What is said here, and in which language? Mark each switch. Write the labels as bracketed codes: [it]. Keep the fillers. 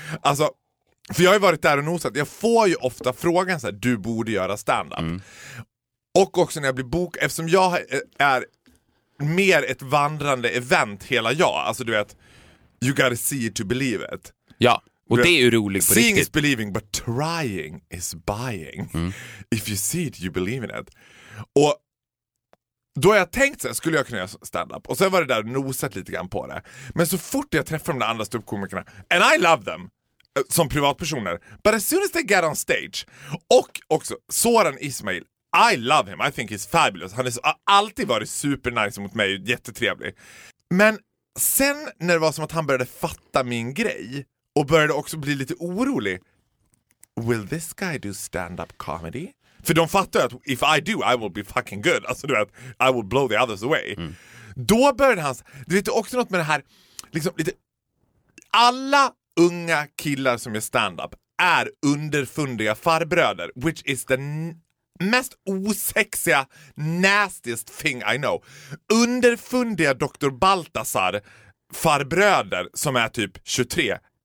[sv] Alltså, för jag har ju varit där och nosat. Jag får ju ofta frågan så här, du borde göra stand-up. Och också när jag blir bok, eftersom jag eh, är mer ett vandrande event hela jag, alltså du vet, [en] you gotta see it to believe it. [sv] Ja, och det är ju roligt på [en] Seeing is [sv] riktigt. [en] believing but trying is buying. If you see it you believe in it. [sv] Och då har jag tänkt så här, skulle jag kunna göra stand-up? Och sen var det där och nosat lite grann på det. Men så fort jag träffar de där andra ståuppkomikerna, [en] and I love them eh, [sv] som privatpersoner, [en] but as soon as they get on stage, [sv] och också [en] Soran Ismail, I love him, I think he's fabulous. [sv] Han är så, har alltid varit supernice mot mig, jättetrevlig. Men sen när det var som att han började fatta min grej och började också bli lite orolig, [en] will this guy do stand-up comedy? [sv] För de fattar ju att [en] if I do I will be fucking good. [sv] Alltså du vet, [en] I will blow the others away. [sv] Då började han, du vet också något med det här, liksom lite, alla unga killar som gör stand-up är underfundiga farbröder, [en] which is the n- [sv] mest osexiga, [en] nastiest thing I know. [sv] Underfundiga Dr. Baltasar farbröder som är typ 23.